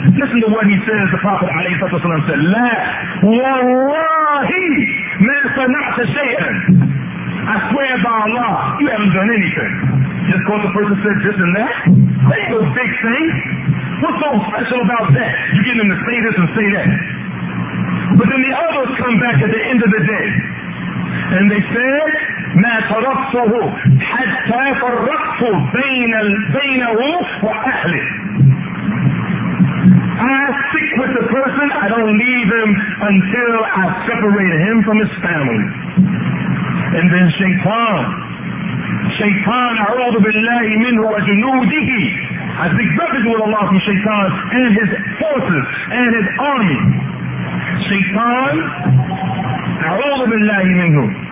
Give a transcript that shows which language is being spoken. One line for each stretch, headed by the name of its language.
English: Listen to what he says, the Prophet عليه الصلاة والسلام said,
Arabic: لا والله ما صنعت شيئاً.
English: I swear by Allah, you haven't done anything. Just because the person said this and that, that ain't no big thing. What's so special about that? You get them to say this and say that. But then the others come back at the end of the day. And they said,
Arabic: ما تركته حتى فرقت بينه وأهله.
English: I stick with the person, I don't leave him until I separate him from his family. And then
Arabic: Shaitan, أعوذ بالله منه وجنوده.
English: I seek refuge with Allah from Shaitan and his forces and his army.
Arabic: Shaitan, أعوذ بالله منه.